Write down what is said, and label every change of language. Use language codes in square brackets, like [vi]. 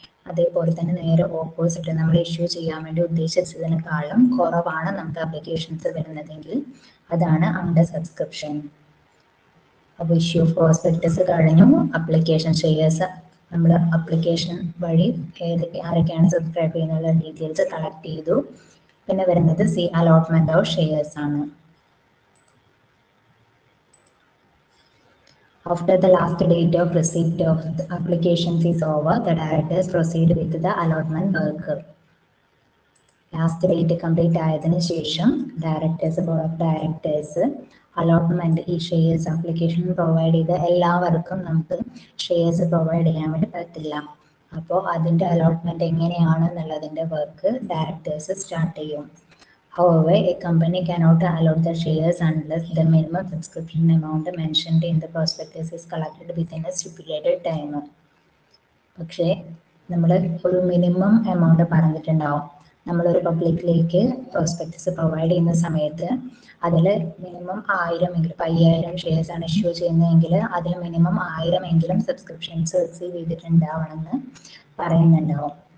[ml] അതേപോലെ തന്നെ നേരെ ഓപ്പോസിറ്റ് നമ്മൾ ഇഷ്യൂ ചെയ്യാൻ വേണ്ടി ഉദ്ദേശിച്ചതിനേക്കാളും കുറവാണ് നമുക്ക് അപ്ലിക്കേഷൻസ് വരുന്നതെങ്കിൽ അതാണ് അണ്ടർ സബ്സ്ക്രിപ്ഷൻ. അപ്പോൾ ഇഷ്യൂ പ്രോസ്പെക്ടസ് കഴിഞ്ഞു, അപ്ലിക്കേഷൻ ഷെയർസ് നമ്മൾ അപ്ലിക്കേഷൻ വഴി ആരൊക്കെയാണ് സബ്സ്ക്രൈബ് ചെയ്യുന്നുള്ള ഡീറ്റെയിൽസ് കളക്ട് ചെയ്തു. പിന്നെ വരുന്നത് സി അലോട്ട്മെന്റ് ഓഫ് ഷെയർസ് ആണ്. [en] After the last date of receipt of the applications is over, the directors proceed with the allotment work. [ml] Last date complete ആയതിനു ശേഷം directors, board of directors, allotment, ഈ shares application provide ചെയ്ത എല്ലാവർക്കും നമുക്ക് shares provide ചെയ്യാൻ വേണ്ടി പറ്റില്ല. അപ്പോൾ അതിൻ്റെ അലോട്ട്മെൻറ്റ് എങ്ങനെയാണ് എന്നുള്ളതിൻ്റെ വർക്ക് ഡയറക്ടേഴ്സ് സ്റ്റാർട്ട് ചെയ്യും. [en] However, a company cannot allot the shares unless the minimum subscription amount mentioned in the prospectus is collected within a stipulated time. [ml] പക്ഷേ നമ്മൾ ഒരു മിനിമം എമൗണ്ട് പറഞ്ഞിട്ടുണ്ടാവും. നമ്മളൊരു പബ്ലിക്കിലേക്ക് പ്രോസ്പെക്ടസ് പ്രൊവൈഡ് ചെയ്യുന്ന സമയത്ത് അതിൽ മിനിമം 1000 എങ്കിലും 5000 ഷെയർസ് ആണ് ഇഷ്യൂ ചെയ്യുന്നതെങ്കിൽ അതിൽ മിനിമം 1000 എങ്കിലും സബ്സ്ക്രിപ്ഷൻസ് റിസീവ് ചെയ്തിട്ടുണ്ടാവണമെന്ന് പറയുന്നുണ്ടാവും.